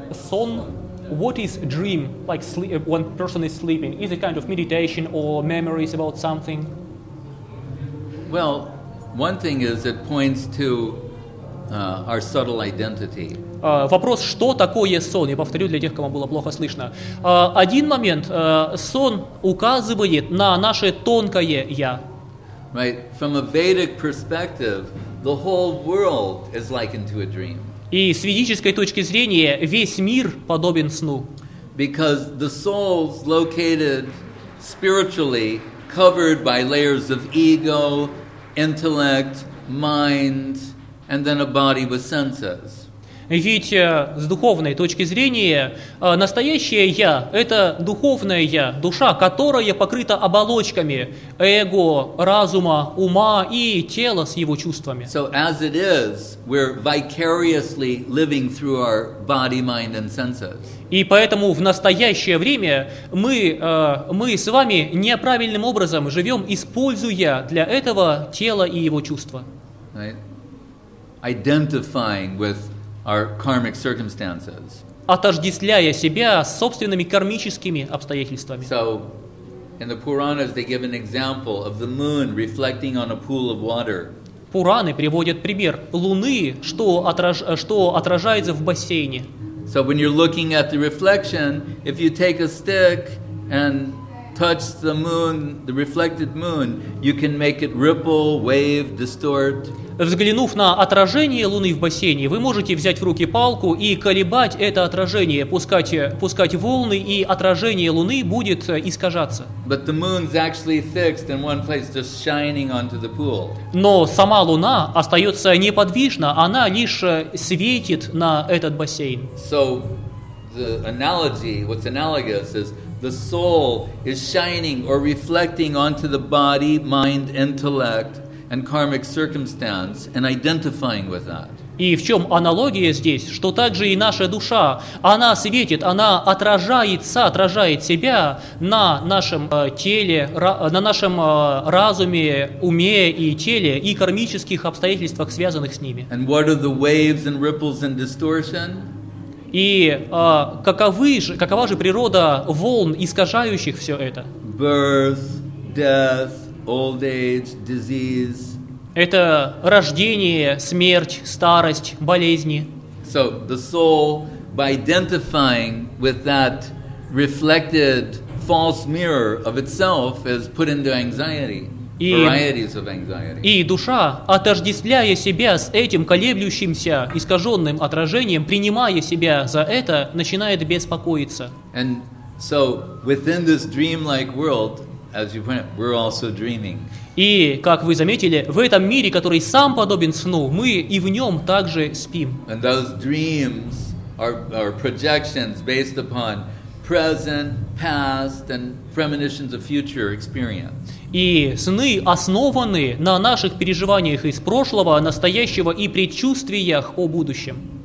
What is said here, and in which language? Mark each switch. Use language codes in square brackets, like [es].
[en] Сон, what is dream, like sleep, when person is sleeping? Is it kind of meditation or memories about something? Well, one thing is it points to our subtle identity. [ru] Вопрос, что такое сон? Я повторю для тех, кому было плохо слышно. Один момент. Сон указывает на наше тонкое «я». [en] Right. From a Vedic perspective, the whole world is likened to a dream. [ru] И с ведической точки зрения весь мир подобен сну. [en] Because the soul's located spiritually covered by layers of ego, intellect, mind, and then a body with senses. [ru] Ведь с духовной точки зрения настоящее «я» — это духовное «я», душа, которая покрыта оболочками эго, разума, ума и тела с его чувствами. [en] So as it is, we're vicariously living through our body, mind, and senses. [ru] И поэтому в настоящее время мы с вами неправильным образом живем, используя для этого тело и его чувства. [en] Right. Identifying with our karmic circumstances. [ru] Отождествляя себя с собственными кармическими обстоятельствами. [en] So, in the Puranas, they give an example of the moon reflecting on a pool of water. [ru] Пураны приводят пример луны, что отражается в бассейне. [en] So, when you're looking at the reflection, if you take a stick and touch the moon, the reflected moon, you can make it ripple, wave, distort. [ru] Взглянув на отражение Луны в бассейне, вы можете взять в руки палку и колебать это отражение, пускать волны, и отражение Луны будет искажаться. [en] But the moon's actually fixed in one place, just shining onto the pool. [ru] Но сама Луна остается неподвижна, она лишь светит на этот бассейн. [en] So the analogy, what's analogous is the soul is shining or reflecting onto the body, mind, intellect, and karmic circumstance, and identifying with that. [ru] И в чем аналогия здесь, что также и наша душа, она светит, она отражается, отражает себя на нашем теле, на нашем разуме, уме и теле и кармических обстоятельствах, связанных с ними. [en] And what are the waves and ripples and distortion? [ru] И какова же природа волн, искажающих все это? [en] Birth, death, old age, disease. [ru] Это рождение, смерть, старость, болезни. [en] So the soul, by identifying with that reflected false mirror of itself is put into anxiety. [ru] И душа, отождествляя себя с этим колеблющимся, искаженным отражением, принимая себя за это, начинает беспокоиться. [en] And so within this dreamlike world, as you point out, we're also dreaming. [ru] И, как вы заметили, в этом мире, который сам подобен сну, мы и в нем также спим. [en] And those dreams are projections based upon present, past, and premonitions of future experience. [ru] И сны основаны на наших переживаниях из прошлого, настоящего и предчувствиях о будущем.